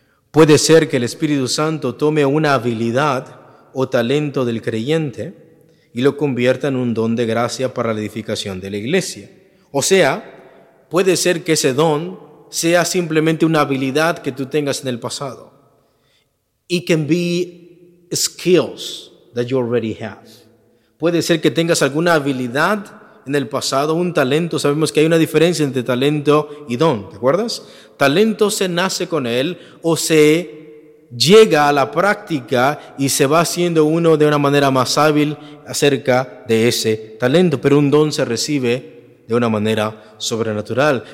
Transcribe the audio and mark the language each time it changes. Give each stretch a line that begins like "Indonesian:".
Spanish: Puede ser que el Espíritu Santo tome una habilidad o talento del creyente y lo convierta en un don de gracia para la edificación de la iglesia. O sea, puede ser que ese don sea simplemente una habilidad que tú tengas en el pasado.
English: It can be skills that you already have.
Spanish: Puede ser que tengas alguna habilidad en el pasado, un talento. Sabemos que hay una diferencia entre talento y don, ¿te acuerdas? Talento se nace con él o se llega a la práctica y se va haciendo uno de una manera más hábil acerca de ese talento, pero un don se recibe de una manera sobrenatural.